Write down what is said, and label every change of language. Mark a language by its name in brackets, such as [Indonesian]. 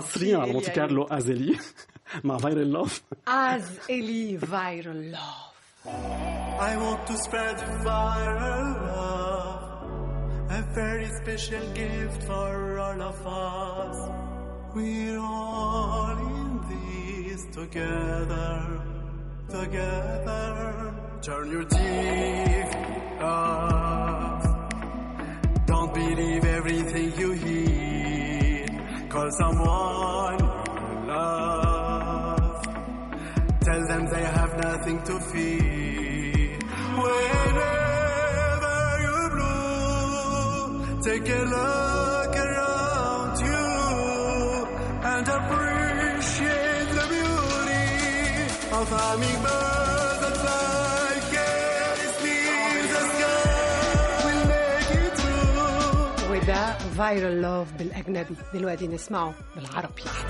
[Arabic] حصريا على مونتي كارلو أزلي مع فايرال لوف. أزلي فايرال لوف. [English] I want to spread viral love, a very special gift for all of us. We're all in this together, together. Turn your TV off, don't believe everything you hear. Call someone you love, tell them they have nothing to fear. Whenever you're blue, take a look around you and appreciate the beauty of hummingbirds that fly carelessly in the sky. We'll make it through. With that viral love [Arabic] بالأجنبي، دلوقتي نسمعه بالعربي.